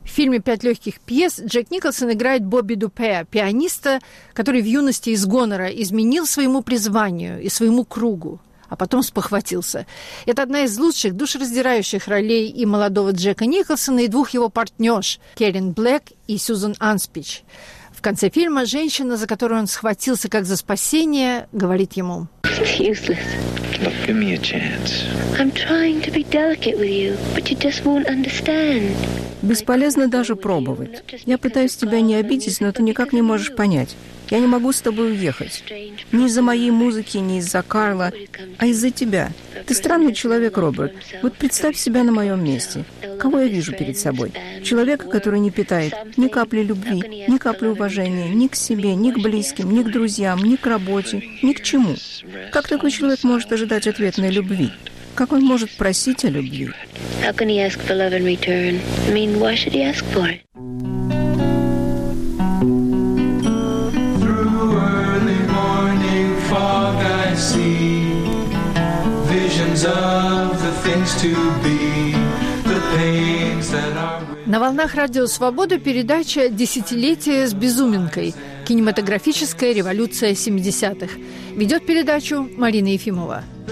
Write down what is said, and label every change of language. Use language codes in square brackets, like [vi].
[ru] В фильме «Пять легких пьес» Джек Николсон играет Бобби Дупе, пианиста, который в юности из гонора изменил своему призванию и своему кругу, а потом спохватился. Это одна из лучших, душераздирающих ролей и молодого Джека Николсона, и двух его партнерш Кэрин Блэк и Сьюзан Анспич. В конце фильма женщина, за которую он схватился как за спасение, говорит ему: [en] Look, give me a chance. I'm trying to be delicate with you, but you just won't understand. [ru] Бесполезно даже пробовать. Я пытаюсь тебя не обидеть, но ты никак не можешь понять. Я не могу с тобой уехать. Не из-за моей музыки, не из-за Карла, а из-за тебя. Ты странный человек, Роберт. Вот представь себя на моем месте. Кого я вижу перед собой? Человека, который не питает ни капли любви, ни капли уважения, ни к себе, ни к близким, ни к друзьям, ни к работе, ни к чему. Как такой человек может ожидать ответной любви? Как он может просить о любви? [en] How can he ask for love in return? I mean, why should he ask for it? Through early morning fog I see visions of the things to be, the pains that are. [ru] На волнах радио «Свобода» передача «Десятилетие с Безуменкой. Кинематографическая революция 70-х». Ведет передачу Марина Ефимова.